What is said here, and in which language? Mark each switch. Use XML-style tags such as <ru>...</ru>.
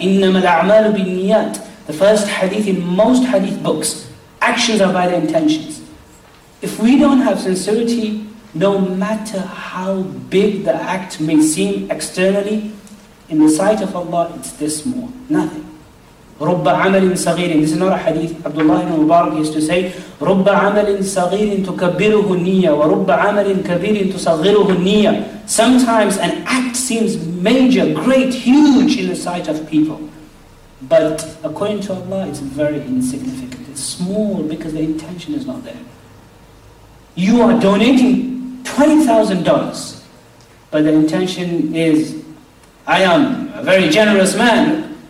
<ar>إِنَّمَا الْأَعْمَالُ بِالنِّيَاتِ.</ar> <en>The first hadith in most hadith books. Actions are by the intentions. If we don't have sincerity, no matter how big the act may seem externally, in the sight of Allah, it's this small. Nothing.</en> <ar>رُبَّ عَمَلٍ صَغِيرٍ.</ar> <en>This is not a hadith. Abdullah ibn Mubarak used to say,</en> <ar>رُبَّ عَمَلٍ صَغِيرٍ تُكَبِّرُهُ النِّيَّةِ وَرُبَّ عَمَلٍ كَبِيرٍ تُصَغِّرُهُ النِّيَّةِ.</ar> <en>Sometimes an act seems major, great, huge in the sight of people. But according to Allah, it's very insignificant. It's small because the intention is not there. You are donating $20,000, but the intention is, I am a very generous man.</en>